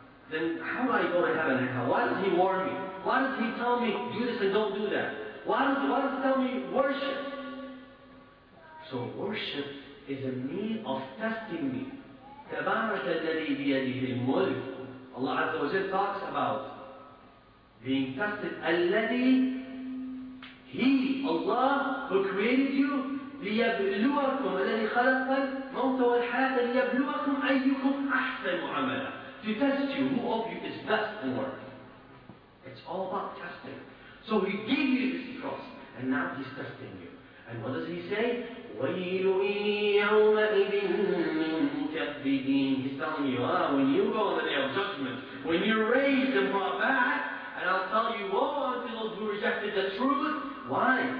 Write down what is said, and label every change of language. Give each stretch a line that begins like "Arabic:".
English: Then how am I going to heaven and hell? Why does He warn me? Why does He tell me, do this and don't do that? Why does He tell me, worship? So worship is a means of testing me.
Arabic: تَبَارَكَ الَّذِي بِيَدِهِ الْمُلْكِ.
English: Allah Azza wa Jalla talks about being tested.
Arabic: الَّذِي
English: He, Allah, who created you,
Arabic: لِيَبْلُوَكُمْ الَّذِي خَلَقَ الْمَوْتَ وَالْحَيَاةَ لِيَبْلُوَكُمْ أَيُّكُمْ أَحْسَنُ عَمَلًا.
English: To test you, who of you is best in work. It's all about testing. So He gave you this cross, and now He's testing you. And what does He say?
Arabic: وَيْلٌ يَوْمَئِذٍ لِلْمُكَذِّبِينَ.
English: He's telling you, when you go on the day of judgment, when you're raised and brought back, and I'll tell you, woe unto those who rejected the truth. Why?